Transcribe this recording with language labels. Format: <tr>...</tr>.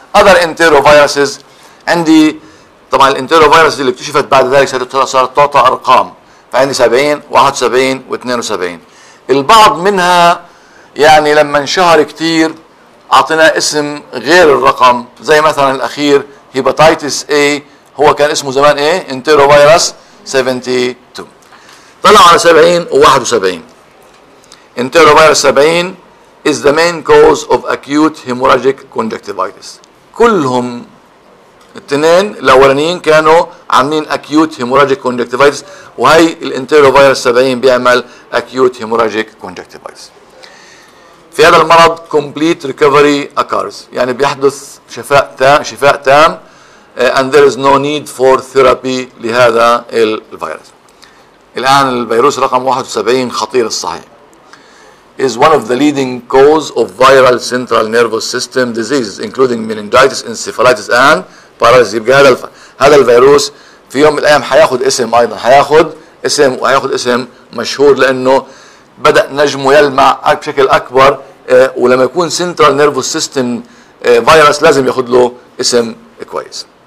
<ar>other enteroviruses عندي طبعا الانتيروفيروس اللي اكتشفت بعد ذلك صارت تعطى ارقام، فعندي 70 71 و72. البعض منها يعني لما انشهر كثير اعطينا اسم غير الرقم، زي مثلا الاخير هيباتايتس اي، هو كان اسمه زمان ايه؟ انتيروفيروس 72. طلع على 70 و71.</ar> <en>Enterovirus 70 is the main cause of acute hemorrhagic conjunctivitis.</en> <ar>كلهم التنين الاولانيين كانوا عاملين acute hemorrhagic conjunctivitis، وهي الانتيروفيروس 70 بيعمل acute hemorrhagic conjunctivitis.</ar> <en>في هذا المرض complete recovery occurs، يعني بيحدث شفاء تام and there is no need for therapy لهذا الفيروس.</en> <ar>الان الفيروس رقم 71 خطير الصحيح.</ar> <en>Is one of the leading cause of viral central nervous system diseases including meningitis, encephalitis and paralysis.</en> <ar>هذا الفيروس في يوم من الايام حياخد اسم، ايضا حياخد اسم، وحياخد اسم مشهور لانه بدا نجمه يلمع بشكل اكبر. ولما يكون central nervous system virus لازم ياخد له اسم كويس.</ar>